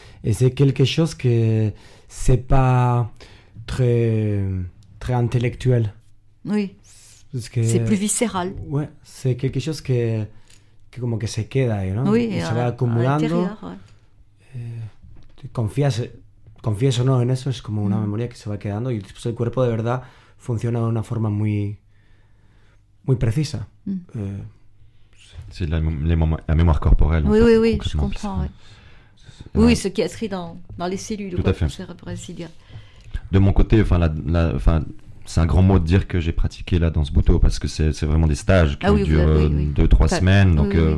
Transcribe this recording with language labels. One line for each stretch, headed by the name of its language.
French: Et c'est quelque chose que c'est pas très très intellectuel. Oui. Parce que, c'est plus viscéral. Ouais, c'est quelque chose que comme que
Spanish: se queda,
French: non? Oui, et ça va accumulando. À l'intérieur, ouais. Confiance
Spanish: confieso no en eso, es como una memoria que se va quedando, y pues, el cuerpo de verdad funciona de una forma muy, muy precisa.
French: C'est la mémoire corporelle. Oui, oui, oui, je comprends. Oui. Oui, ce qui est écrit dans les cellules, tout à fait. Cérébral. De mon côté, enfin, c'est un grand mot de dire que j'ai pratiqué la danse buto, parce que c'est vraiment des stages qui durent 2-3 semaines. Donc oui, oui.